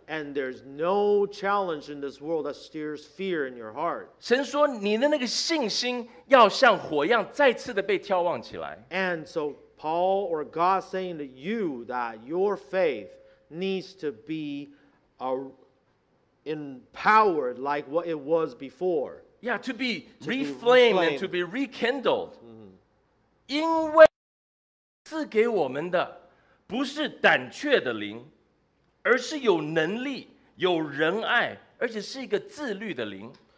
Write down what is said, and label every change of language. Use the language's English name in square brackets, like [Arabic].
[English] And there's no challenge in this world that stirs fear in your heart. [Chinese] 神说你的那个信心要像火一样再次的被眺望起来。 [English] And so Paul or God saying to you that your faith needs to be empowered like what it was before. Yeah, to be reflamed and to be rekindled. [Chinese] 因为赐给我们的不是胆怯的灵，而是有能力、有仁爱，而且是一个自律的灵。